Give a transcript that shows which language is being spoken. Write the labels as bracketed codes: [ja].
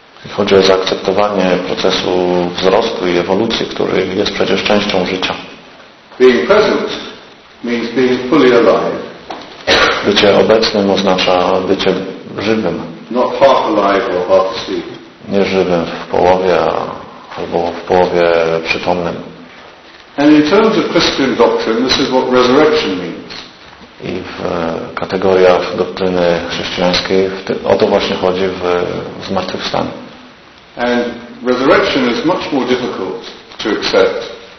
[pl] Chodzi o zaakceptowanie procesu wzrostu i ewolucji, który jest przecież częścią życia. [en] Being present means being fully alive. [pl] Bycie obecnym oznacza bycie żywym. [en] Not half alive or half asleep. [pl] Nie żywym w połowie, albo w połowie przytomnym. [en] And in terms of Christian doctrine, this is what resurrection means. [pl] I w kategoriach doktryny chrześcijańskiej o to właśnie chodzi w zmartwychwstaniu. [en] And resurrection is much more difficult to accept.